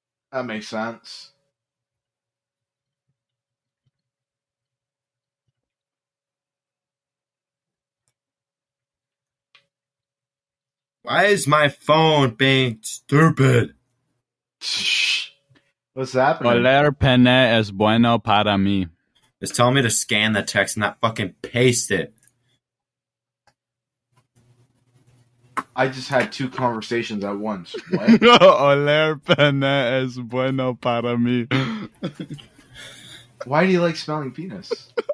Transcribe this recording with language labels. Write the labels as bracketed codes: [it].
[en] That makes sense. Why is my phone being stupid? What's happening? [es] Oler pene es bueno para mí. [en] It's telling me to scan the text and not fucking paste it. I just had two conversations at once. What? [es] Oler pene es bueno para mí. [en] Why do you like smelling penis?